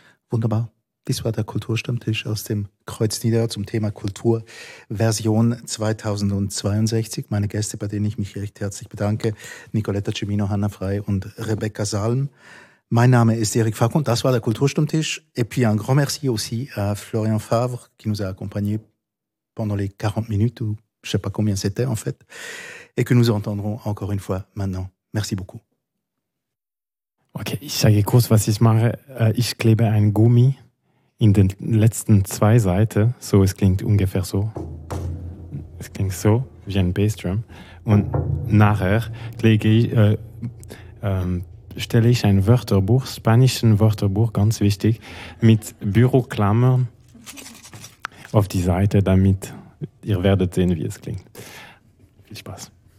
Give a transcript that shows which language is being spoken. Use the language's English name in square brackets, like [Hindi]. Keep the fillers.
[German] Wunderbar. Dies war der Kulturstammtisch aus dem Kreuz Niederau zum Thema Kultur Version 2062. Meine Gäste, bei denen ich mich recht herzlich bedanke, Nicoletta Cimino, Hanna Frei und Rebecca Salm. Mein Name ist Eric Fack und das war der Kulturstammtisch. [French] Et puis un grand merci aussi à Florian Favre qui nous a accompagnés pendant les 40 minutes ou je sais pas combien c'était en fait et que nous entendrons encore une fois maintenant. Merci beaucoup. [German] Okay, ich sage kurz, was ich mache. Äh, Ich klebe ein Gummi in den letzten zwei Seiten. So, es klingt ungefähr so. Es klingt so, wie ein Bassdrum. Und nachher klebe ich, äh, ähm, stelle ich ein Wörterbuch, spanischen Wörterbuch, ganz wichtig, mit Büroklammern auf die Seite, damit ihr werdet sehen, wie es klingt. Viel Spaß.